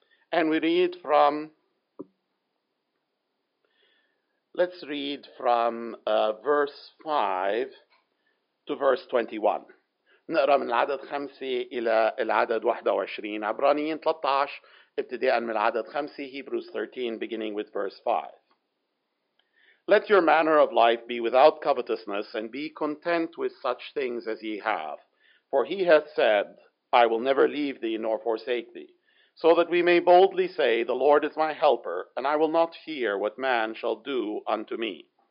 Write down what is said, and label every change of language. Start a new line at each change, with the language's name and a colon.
English: And we read from, let's read from verse 5 to verse 21.
Arabic: نقرا من العدد 5 إلى العدد 21 عبرانيين 13 ابتداء من العدد 5
English: Hebrews 13 beginning with verse 5. Let your manner of life be without covetousness and be content with such things as ye have. For he hath said, I will never leave thee nor forsake thee. So that we may boldly say, the Lord is my helper, and I will not fear what man shall do unto me.